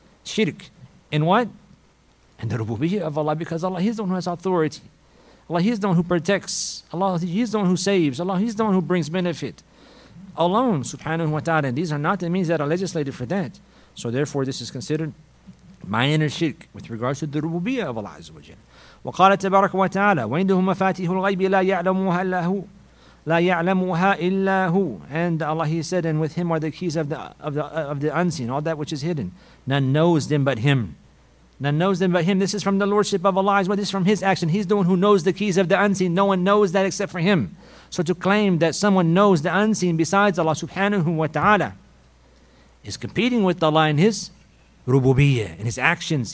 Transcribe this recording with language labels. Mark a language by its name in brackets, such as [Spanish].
[English] shirk in what? In the rububiyyah of Allah, because Allah, He's the one who has authority. Allah, He's the one who protects. Allah, He's the one who saves. Allah, He's the one who brings benefit alone, subhanahu wa ta'ala. And these are not the means that are legislated for that. So therefore, this is considered minor shirk with regards to the rububiyyah of Allah Azza wa Jalla. [Arabic] وقال تبارك وتعالى وعنده مفاتيح الغيب لا يعلمها إلا هو لا يعلمها إلا هو. [English] And Allah, He said, and with Him are the keys of the unseen, all that which is hidden. None knows them but Him. None knows them but Him. This is from the lordship of Allah. Well, this is from His action. He's the one who knows the keys of the unseen. No one knows that except for Him. So to claim that someone knows the unseen besides Allah subhanahu wa ta'ala is competing with Allah in His rububiyyah, in His actions.